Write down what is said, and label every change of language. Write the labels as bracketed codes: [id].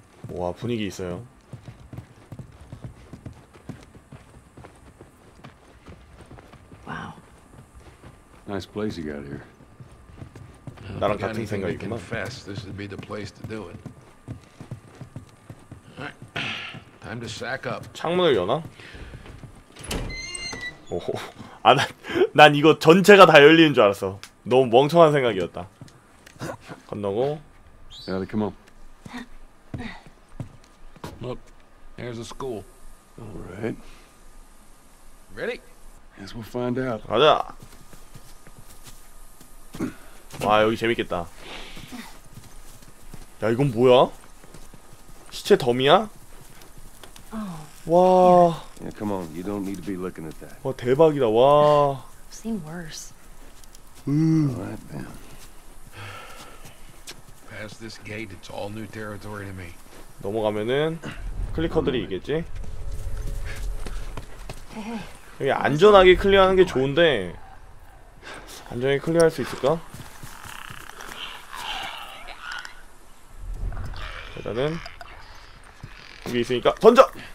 [ko] 와 분위기 있어요. [en] 나이스 플레이스 유 갓 히어. [ko] 나랑 같은 생각이구만. [en] This would be the place to do it. Time to sack up. [ko] 창문을 여나? 오호. 아 난 이거 전체가 다 열리는 줄 알았어. 너무 멍청한 생각이었다. 건너고. [en] Yeah, come on. Look. There's a school. All right. Ready? Yes, we'll find out. [ko] 가자. 와 여기 재밌겠다. 야 이건 뭐야? 시체 덤이야? 와. [en] Yeah, come on. You don't need to be looking at that. [ko] 와 대박이다. 와. [en] I've seen worse. Alright then. Past this gate, it's all new territory to me. [ko] 넘어가면은 클리커들이 있겠지? 여기 안전하게 클리어하는 게 좋은데 안전하게 클리어할 수 있을까? 일단은 여기 있으니까 던져!